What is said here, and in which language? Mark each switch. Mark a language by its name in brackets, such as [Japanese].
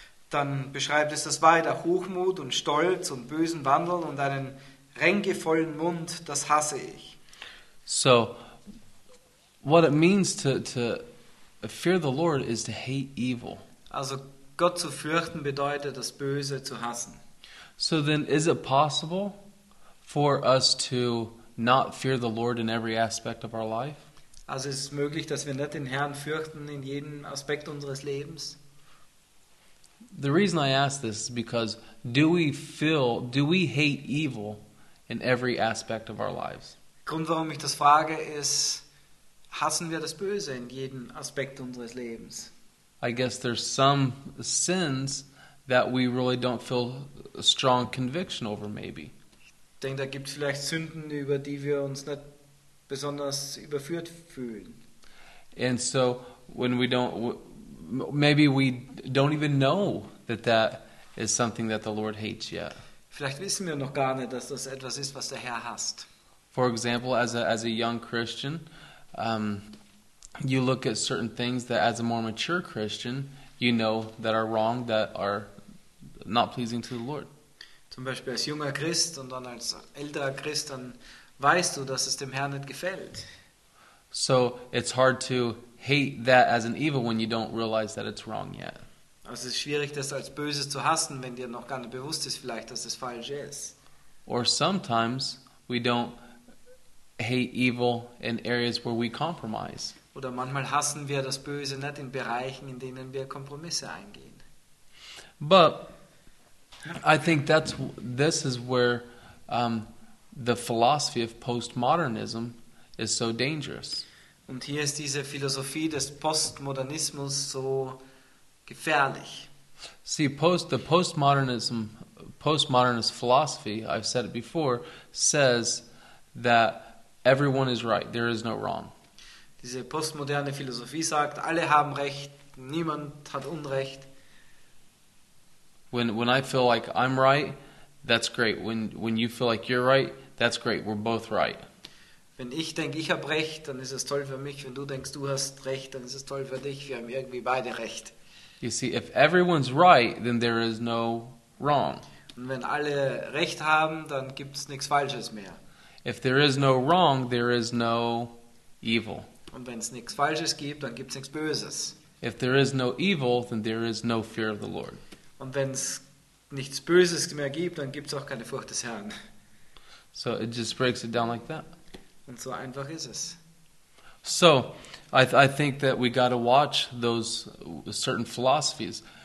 [German] Dann beschreibt es das weiter, Hochmut und Stolz und bösen Wandel und einen ränkevollen Mund, das hasse ich. [English] So, what it means to fear the Lord is to hate evil. [German] Also, Gott zu fürchten bedeutet, das Böse zu hassen. [English] So then, is it possible for us to not fear the Lord in every aspect of our life? [German] Also ist es möglich, dass wir nicht den Herrn fürchten in jedem Aspekt unseres Lebens? [English] The reason I ask this is because do we hate evil in every aspect of our lives? [German] Grund, warum ich das frage, ist, hassen wir das Böse in jedem Aspekt unseres Lebens? [English] I guess there's some sins that we really don't feel a strong conviction over, maybe. [German] Ich denke, da gibt's vielleicht Sünden, über die wir uns nicht besonders überführt fühlen. [English] And so when we don't, maybe we don't even know that that is something that the Lord hates yet. [German] Vielleicht wissen wir noch gar nicht, dass das etwas ist, was der Herr hasst. [English] For example, as a young Christian, you look at certain things that as a more mature Christian, you know that are wrong, that are not pleasing to the Lord. [German] Zum Beispiel als junger Christ und dann als älterer Christ, dann weißt du, dass es dem Herrn nicht gefällt. [English] So it's hard to hate that as an evil when you don't realize that it's wrong yet. [German] Also es ist schwierig, das als Böses zu hassen, wenn dir noch gar nicht bewusst ist vielleicht, dass es falsch ist. [English] Or sometimes we don't hate evil in areas where we compromise. [German] Oder manchmal hassen wir das Böse nicht in Bereichen, in denen wir Kompromisse eingehen. [English] But I think this is where the philosophy of postmodernism is so dangerous. [German] Und hier ist diese Philosophie des Postmodernismus so gefährlich. [English] See, postmodernist philosophy, I've said it before, says that everyone is right. There is no wrong. [German] Diese postmoderne Philosophie sagt, alle haben recht, niemand hat Unrecht. [English] When I feel like I'm right, that's great. When you feel like you're right, that's great. We're both right. [German] Wenn ich denke, ich habe recht, dann ist es toll für mich. Wenn du denkst, du hast recht, dann ist es toll für dich. Wir haben irgendwie beide recht. [English] You see, if everyone's right, then there is no wrong. [German] Und wenn alle recht haben, dann gibt's nichts Falsches mehr. [English] If there is no wrong, there is no evil. [German] Und wenn es nichts Falsches gibt, dann gibt es nichts Böses. [English] If there is no evil, then there is no fear of the Lord. [German] Und wenn es nichts Böses mehr gibt, dann gibt es auch keine Furcht des Herrn. [English] So it just breaks it down like that. [German] Und so einfach ist es. [English] So, I think that we got to watch those certain philosophies.